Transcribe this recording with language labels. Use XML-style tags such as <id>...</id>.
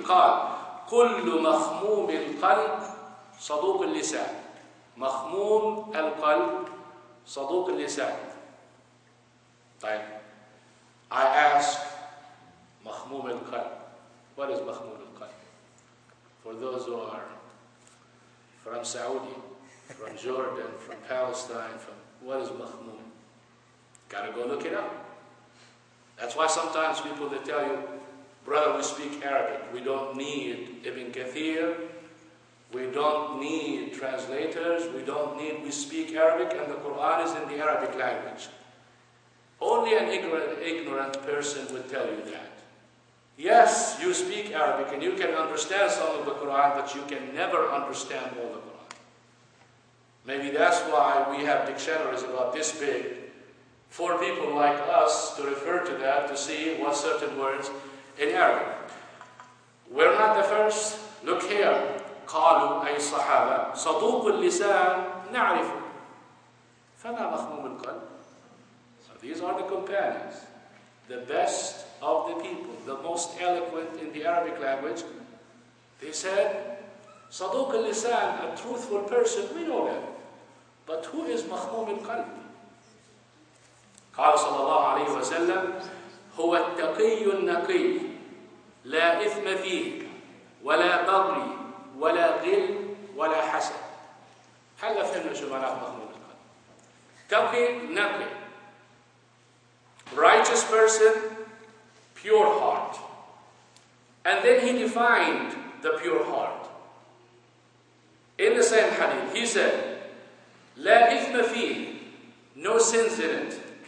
<ar>قال كل مخموم القلب صدوق اللسان. مخموم القلب صدوق اللسان. طيب.</ar> <en>I ask</en> <ar>مخموم القلب.</ar> <en>What is مخموم القلب? For those who are from Saudi, from Jordan, from Palestine, from what is Mahmoud? Gotta go look it up. That's why sometimes people they tell you, brother, we speak Arabic. We don't need Ibn Kathir. We don't need translators. We speak Arabic and the Quran is in the Arabic language. Only an ignorant person would tell you that. Yes, you speak Arabic and you can understand some of the Quran, but you can never understand all the Quran. Maybe that's why we have dictionaries about this big for people like us to refer to that to see what certain words in Arabic. We're not the first. Look here.</en> <ar>قالوا أي صحابة صدوق اللسان نعرف فما مخموم القلب.</ar> <en>So these are the companions, the best of the people, the most eloquent in the Arabic language. They said</en> <ar>صدوق اللسان,</ar> <en>a truthful person, we know that. But who is</en> <ar>مخموم القلب? قال صلى الله عليه وسلم هو التقي النقي لا إثم فيه ولا بغي ولا غل ولا حسد. هل فهمنا شو معناه مخموم القلب? تقي نقي.</ar> <en>Righteous person, pure heart. And then he defined the pure heart. In the same hadith, he said,</en> <ar>La ithma fih,</ar> <en>no sins in it.</en>